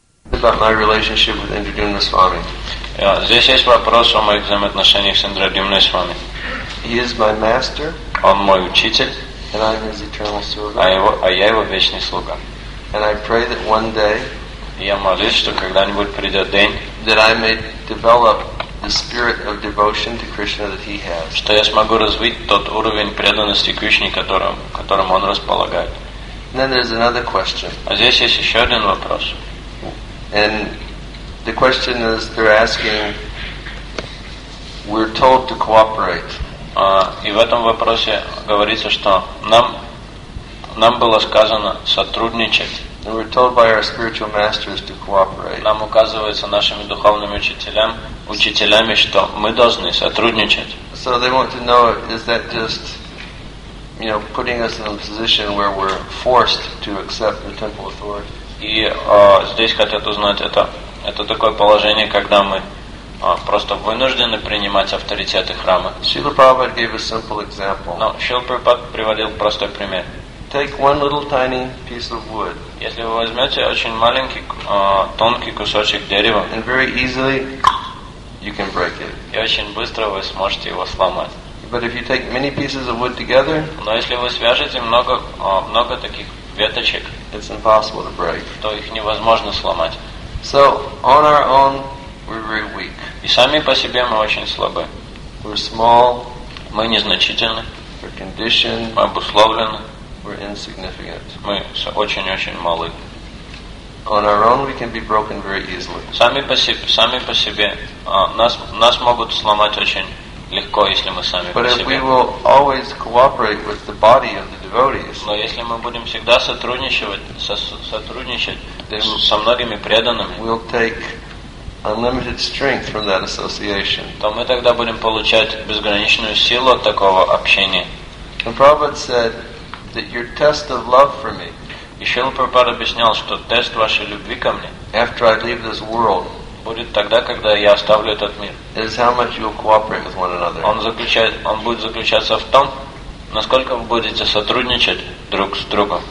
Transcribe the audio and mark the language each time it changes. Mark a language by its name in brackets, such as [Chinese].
[English] About my relationship with Indradyumna Swami. [Russian] Здесь есть вопрос о моих взаимоотношениях с Индрадюмной Свами. [English] He is my master. [Russian] Он мой учитель. [English] And I am his eternal servant. [Russian] А я его вечный слуга. [English] And I pray that one day. [Russian] Я молюсь, что когда-нибудь придет день, [English] that I may develop the spirit of devotion to Krishna that he has. [Russian] Что я смогу развить тот уровень преданности Кришне, которым он располагает. [English] And then there's another question. [Russian] А здесь есть еще один вопрос. [English] And the question is, they're asking, we're told to cooperate. [Russian] И в этом вопросе говорится, что нам было сказано сотрудничать. [English] And we're told by our spiritual masters to cooperate. [Russian] Нам указывается нашими духовными учителями, что мы должны сотрудничать. [English] So they want to know, is that just, you know, putting us in a position where we're forced to accept the temple authority? [Russian] И здесь хотят узнать, это такое положение, когда мы просто вынуждены принимать авторитеты храма. [English] Srila Prabhupada gave a simple example. [Russian] No, Srila Prabhupada приводил простой пример. [English] Take one little tiny piece of wood. [Russian] Если вы возьмете очень маленький, тонкий кусочек дерева, [English] and very easily you can break it. [Russian] И очень быстро вы сможете его сломать. [English] But if you take many pieces of wood together, [Russian] но если вы свяжете много таких веточек, [English] it's impossible to break. [Russian] То их невозможно сломать. [English] So on our own we're very weak. [Russian] И сами по себе мы очень слабы. [English] We're small. [Russian] Мы незначительны. [English] We're conditioned. [Russian] Мы обусловлены. [English] We're insignificant. [Russian] Мы очень-очень малы. [English] On our own, we can be broken very easily. [Russian] Сами по себе нас могут сломать очень легко, если мы сами по себе. [English] But if we will always cooperate with the body of the devotees. [Russian] Но если мы будем всегда сотрудничать со многими преданными, [English] we'll take unlimited strength from that association. [Russian] То мы тогда будем получать безграничную силу от такого общения. [English] And Prabhupada said that your test of love for me. [Russian] И Шрила Прабхупада объяснял, что тест вашей любви ко мне. [English] After I leave this world. [Russian] Будет тогда, когда я оставлю этот мир. [English] Is how much you'll cooperate with one another. [Russian] Он будет заключаться в том, насколько вы будете сотрудничать друг с другом.